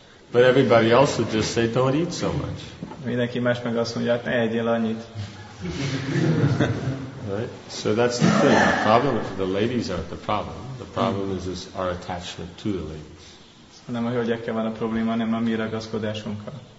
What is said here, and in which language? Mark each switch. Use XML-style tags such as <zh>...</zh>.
<en>But everybody else would just say, don't eat so much.</en> <hu>Mindenki más meg azt mondja, ne egyél annyit.</hu> <en>Right? So that's the thing. The problem is the ladies aren't the problem. The problem is our attachment to the ladies.</en> <hu>Nem a hölgyekkel van a probléma, hanem a mi ragaszkodásunkkal.</hu>